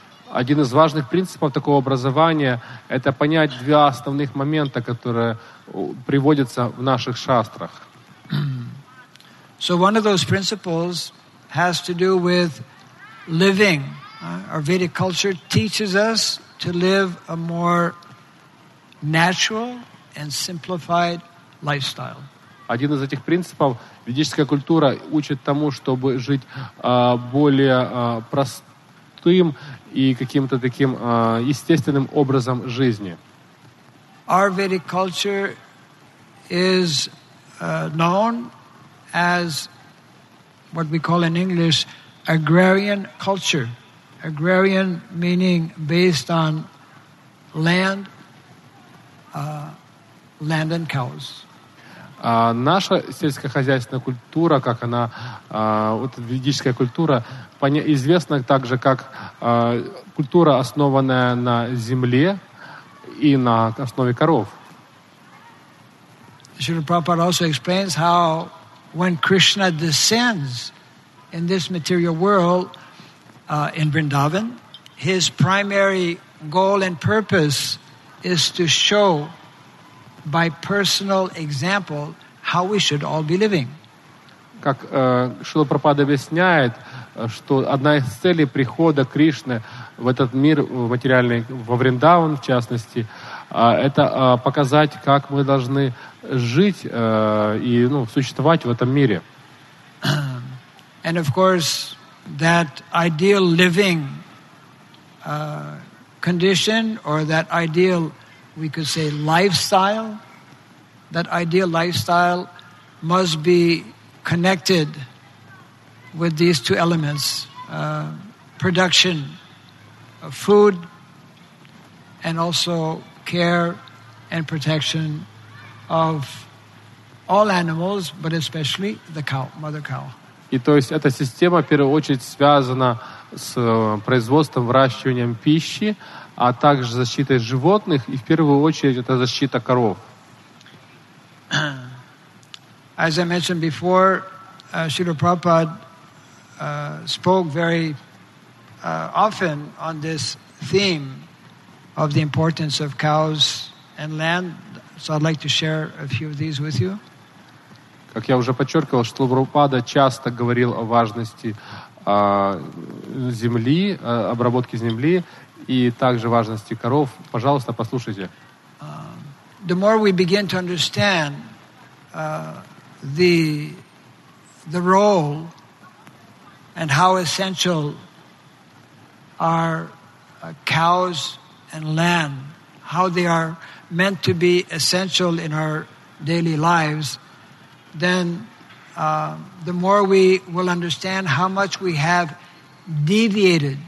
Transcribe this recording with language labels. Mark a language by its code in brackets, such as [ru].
[ru] Один из важных принципов такого образования — это понять два основных момента, которые приводятся в наших шастрах. [en] So one of those principles has to do with living. Our Vedic culture teaches us to live a more natural and simplified lifestyle. [ru] Один из этих принципов — ведическая культура учит тому, чтобы жить более простым и каким-то таким естественным образом жизни. [en] Our Vedic culture is known as what we call in English agrarian culture. Agrarian meaning based on land, land and cows. [ru] Наша сельскохозяйственная культура, как она, вот ведическая культура, известна также как культура, основанная на земле и на основе коров. [en] Srila Prabhupada also explains how when Krishna descends in this material world in Vrindavan, his primary goal and purpose is to show by personal example how we should all be living. [ru] Как Шрила Прабхупада объясняет, что одна из целей прихода Кришны в этот мир материальный, во Вриндаван в частности, это показать, как мы должны жить и существовать в этом мире. [en] And of course, that ideal living condition or that ideal, we could say, lifestyle. That ideal lifestyle must be connected with these two elements, production of food and also care and protection of all animals, but especially the cow, mother cow. [ru] И то есть эта система в первую очередь связана с производством, выращиванием пищи, а также защитой животных, и в первую очередь это защита коров. [en] As I mentioned before, Srila Prabhupada spoke very often on this theme of the importance of cows and land. So I'd like to share a few of these with you. [ru] Как я уже подчеркивал, что Прабхупада часто говорил о важности земли, обработки земли и также важности коров. Пожалуйста, послушайте. [en] The more we begin to understand the role and how essential are cows and land, how they are meant to be essential in our daily lives, then the more we will understand how much we have deviated.